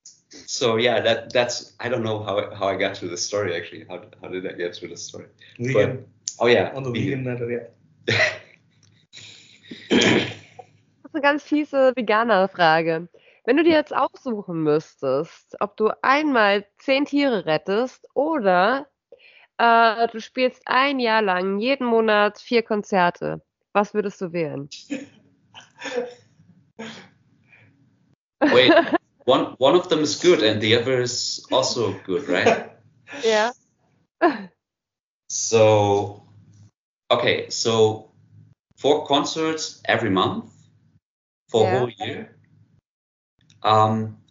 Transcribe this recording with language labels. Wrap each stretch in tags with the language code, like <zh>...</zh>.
<en>So yeah, that's I don't know how I got to the story actually. How did I get to the story? Vegan. But, oh yeah. On the vegan matter, yeah.</en> <de>Das ist eine ganz fiese Veganer-Frage. Wenn du dir jetzt aussuchen müsstest, ob du einmal 10 Tiere rettest oder du spielst ein Jahr lang jeden Monat 4 Konzerte, was würdest du wählen?</de> <en>Wait, one of them is good and the other is also good, right? Yeah. So, okay, so 4 concerts every month for a whole year?</en>